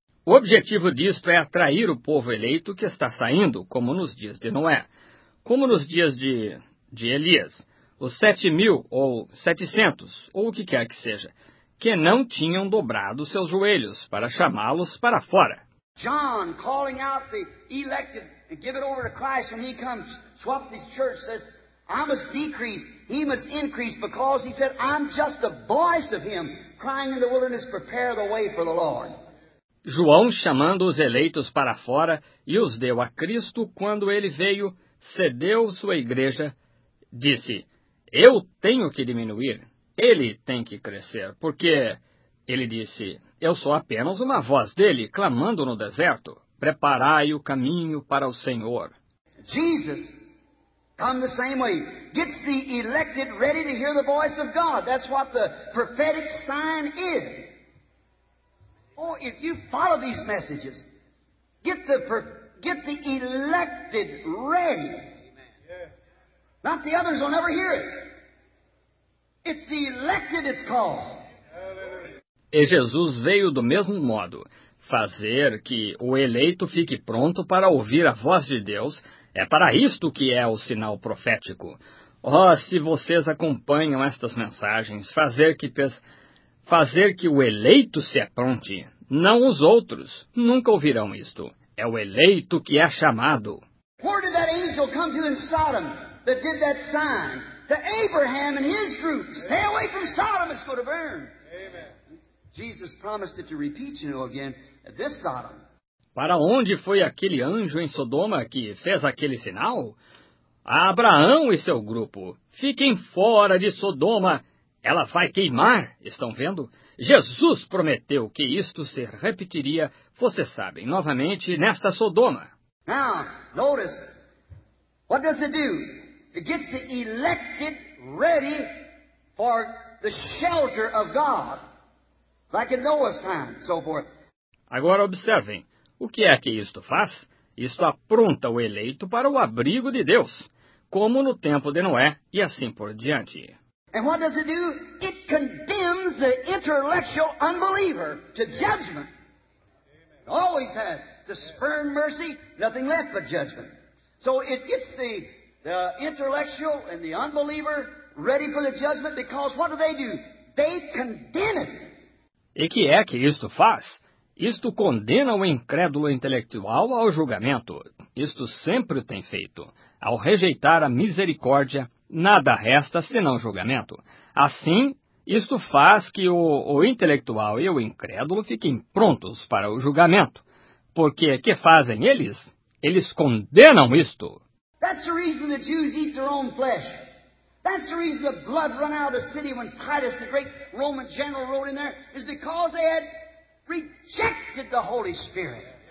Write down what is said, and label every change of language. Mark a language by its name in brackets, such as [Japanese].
[Portuguese] O objetivo disto é atrair o povo eleito que está saindo, como nos dias de Noé. Como nos dias de Elias, os 7,000 ou 700, ou o que quer que seja, que não tinham dobrado seus joelhos para chamá-los para fora. [English] John calling out the elected and give it over to Christ when he comes, swap his church, says, I must decrease, he must increase, because he said, I'm just the voice of him crying in the wilderness, prepare the way for the Lord. [Portuguese] João chamando os eleitos para fora e os deu a Cristo quando ele veio, cedeu sua igreja, disse, eu tenho que diminuir, ele tem que crescer, porque ele disse, eu sou apenas uma voz dele clamando no deserto, preparai o caminho para o Senhor. [English] Jesus come the same way. Gets the elected ready to hear the voice of God. That's what the prophetic sign is. Oh, if you follow these messages, get the elected ready. Yeah. Not the others will never hear it. It's the elected it's called. [Portuguese] E Jesus veio do mesmo modo. Fazer que o eleito fique pronto para ouvir a voz de Deus. É para isto que é o sinal profético. Oh, se vocês acompanham estas mensagens, fazer que o eleito se apronte, não os outros, nunca ouvirão isto. É o eleito que é chamado. [English] Where did that angel come to in Sodom that did that sign? To Abraham and his group. Stay away from Sodom, it's going to burn. Amen. Jesus promised it to repeat you again at this Sodom. [Portuguese] Para onde foi aquele anjo em Sodoma que fez aquele sinal? A Abraão e seu grupo, fiquem fora de Sodoma. Ela vai queimar, estão vendo? Jesus prometeu que isto se repetiria, vocês sabem, novamente, nesta Sodoma. [English] Now, notice, what does it do? It gets the elected ready for the shelter of God, like in Noah's time, so forth. [Portuguese] Agora observem. O que é que isto faz? Isto apronta o eleito para o abrigo de Deus, como no tempo de Noé e assim por diante. [English] And what does it do? It condemns the intellectual unbeliever to judgment. It always has to spurn mercy, nothing left but judgment. So it gets the intellectual and the unbeliever ready for the judgment, because what do? They condemn it. [Portuguese] E que é que isto faz? Isto condena o incrédulo intelectual ao julgamento. Isto sempre tem feito. Ao rejeitar a misericórdia, nada resta senão julgamento. Assim, isto faz que o intelectual e o incrédulo fiquem prontos para o julgamento. Porque que fazem eles? Eles condenam isto. [English] That's the reason the Jews eat their own flesh. That's the reason the blood run out of the city when Titus, the great Roman general, rode in there, is because they had rejected the Holy Spirit.